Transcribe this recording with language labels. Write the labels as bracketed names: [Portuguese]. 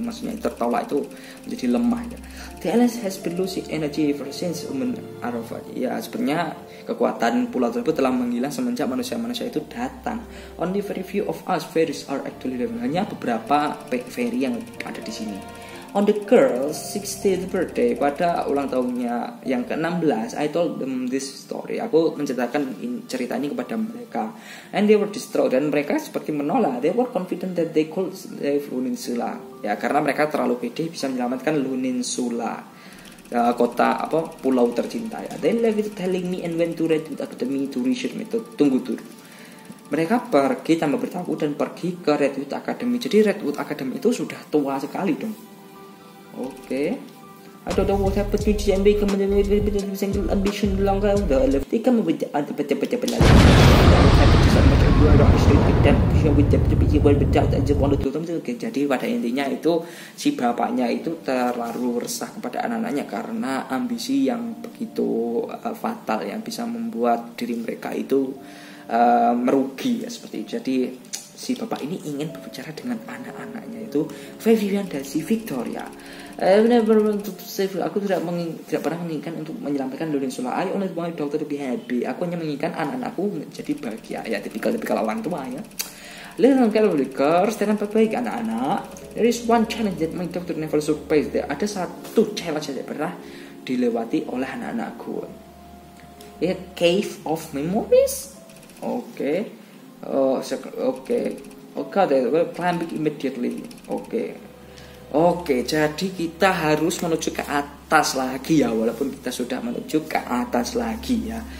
[Indonesian] Maksudnya tertolak itu menjadi lemah ya. [English] The island has been losing energy ever since human arrived. [Indonesian] Ya sebenarnya kekuatan pulau tersebut telah menghilang semenjak manusia-manusia itu datang. [English] Only very few of us fairies are actually living. [Indonesian] Hanya beberapa fairy yang ada di sini. [English] On the girl's 16th birthday, [Indonesian] pada ulang tahunnya yang ke-16, [English] I told them this story. [Indonesian] Aku menceritakan cerita ini kepada mereka. [English] And they were distraught, [Indonesian] dan mereka seperti menolak. [English] They were confident that they could save Luninsula. [Indonesian] Ya, karena mereka terlalu pede bisa menyelamatkan Luninsula. Kota, apa, pulau tercinta ya. [English] They left telling me and went to Redwood Academy to research method. [Indonesian] Tunggu dulu. Mereka pergi tanpa beritahu dan pergi ke Redwood Academy. Jadi Redwood Academy itu sudah tua sekali dong. Oke. [English] Okay. I don't know what happened to GMB. [Indonesian] Jadi pada intinya itu si bapaknya itu terlalu resah kepada anak-anaknya karena ambisi yang begitu fatal yang bisa membuat diri mereka itu merugi ya, seperti itu. Jadi si bapak ini ingin berbicara dengan anak-anaknya itu Vivian dan si Victoria. [English] I've never wanted to save. [Indonesian] Aku tidak pernah menginginkan untuk menyelamatkan Luninsula. [English] I only want my daughter to be happy. [Indonesian] Aku hanya menginginkan anak-anakku menjadi bahagia. Ya, tipikal-tipikal orang tua ya. [English] Little girl, girls, [Indonesian] dan baik-baik anak-anak. [English] There is one challenge that my daughter never surpassed. [Indonesian] Ada satu challenge yang pernah dilewati oleh anak-anakku. [English] A cave of memories. Oke. Okay. Oh, okay. Okay. We'll climb it immediately. Okay. [Indonesian] Oke, jadi kita harus menuju ke atas lagi ya, walaupun kita sudah menuju ke atas lagi ya.